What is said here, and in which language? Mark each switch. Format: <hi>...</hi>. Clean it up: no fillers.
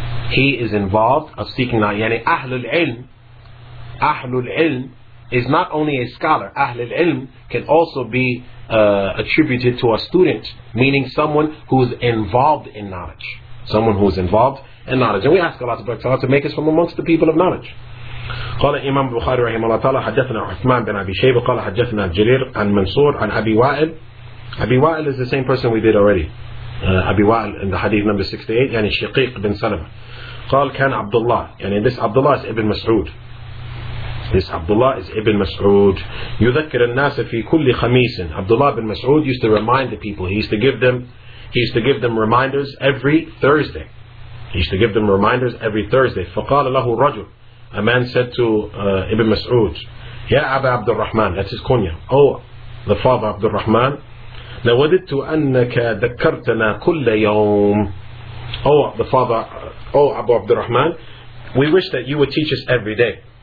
<en>He is involved of seeking knowledge. Yani Ahlul Ilm is not only a scholar. Ahlul Ilm can also be attributed to a student, meaning someone who's involved in knowledge. Someone who's involved in knowledge. And we ask Allah subhanahu wa ta'ala to make us from amongst the people of knowledge.</en> <ar>قال إمام بخاري رحمه الله تعالى حدثنا عثمان بن أبي شيبة قال حدثنا جرير عن منصور عن أبي وائل.</ar> <en>أبي وائل is the same person we did already. أبي وائل in the hadith number 68, يعني شقيق بن سلمة.</en> <ar>قال كان عبد الله, يعني this عبد الله is ابن مسعود. This عبد الله is ابن مسعود. يذكر الناس في كل خميس.</ar> <en>عبد الله بن مسعود used to remind the people. He used to give them reminders every Thursday. He used to give them reminders every Thursday.</en> <ar>فقال له الرجل,</ar> <en>a man said to Ibn Mas'ud, Ya Aba Abdul Rahman, that's his kunya, oh, the father Abdul Rahman,</en> <ar>لَوَدِدْتُ أَنَّكَ ذَكَّرْتَنَا كُلَّ يَوْمٍ,</ar> <en>oh, the father, oh, Abu Abdul Rahman, we wish that you would teach us every day.</en>